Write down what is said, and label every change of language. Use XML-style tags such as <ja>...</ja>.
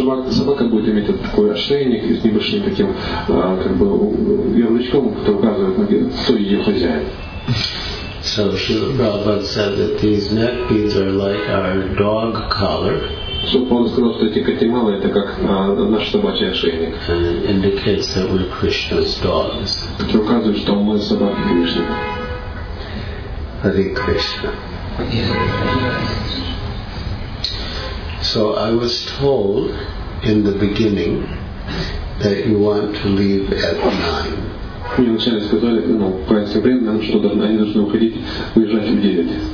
<ru>Собака будет иметь такой ошейник с небольшим таким как бы ярлычком, который указывает на кто ее хозяин.</ru> <en>So Srila Prabhupada said that these neck beads are like our dog collar.</en> <ru>So Prabhupada сказал, что эти катималы это как наш собачий ошейник.</ru> <en>And it indicates that we're Krishna's dogs.</en> <ru>Это указывает, что мы собаки Кришны.</ru> <en>Hare Krishna. So I was told in the beginning that you want to leave at 9.</en> <ru>Мне вначале сказали, ну, правильное время, нам что они должны уходить, уезжать в 9.</ru>